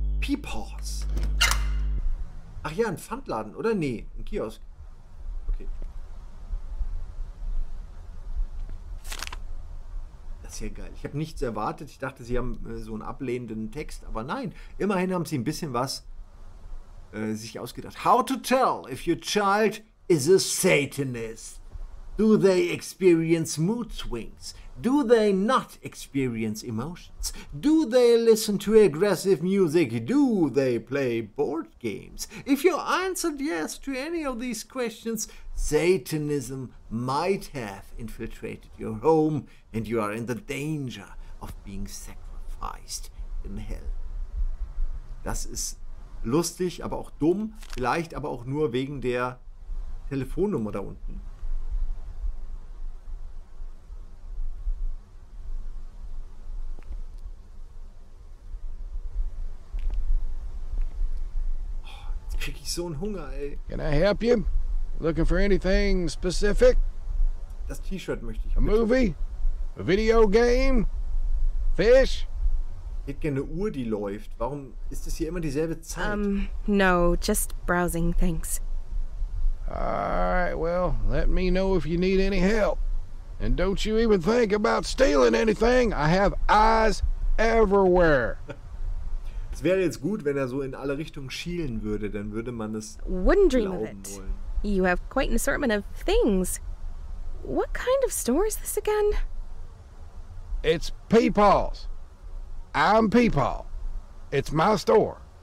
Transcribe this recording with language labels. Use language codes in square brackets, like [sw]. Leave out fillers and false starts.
[de] Peepaws! Ach ja, ein Pfandladen, oder? Nee, ein Kiosk. Okay. Das ist ja geil. Ich habe nichts erwartet. Ich dachte, sie haben so einen ablehnenden Text. Aber nein, immerhin haben sie ein bisschen was sich ausgedacht. [en] How to tell if your child is a Satanist? Do they experience mood swings? Do they not experience emotions? Do they listen to aggressive music? Do they play board games? If you answered yes to any of these questions, Satanism might have infiltrated your home and you are in the danger of being sacrificed in hell. [de] Das ist lustig, aber auch dumm. Vielleicht aber auch nur wegen der Telefonnummer da unten. So ein Hunger, ey. [en] Can I help you? Looking for anything specific? [de] Das T-Shirt möchte ich. [en] A movie? A video game? Fish? [de] Ich hätte gerne eine Uhr, die läuft. Warum ist es hier immer dieselbe Zeit? [en] No, just browsing, thanks. Alright, well, let me know if you need any help. And don't you even think about stealing anything. I have eyes everywhere. [de] Es wäre jetzt gut, wenn er so in alle Richtungen schielen würde, dann würde man es [en] wouldn't dream of it. [de] Wollen. [en] You have quite an assortment of things. What kind of store is this again? It's Peepaw's. I'm Peepaw. It's my store.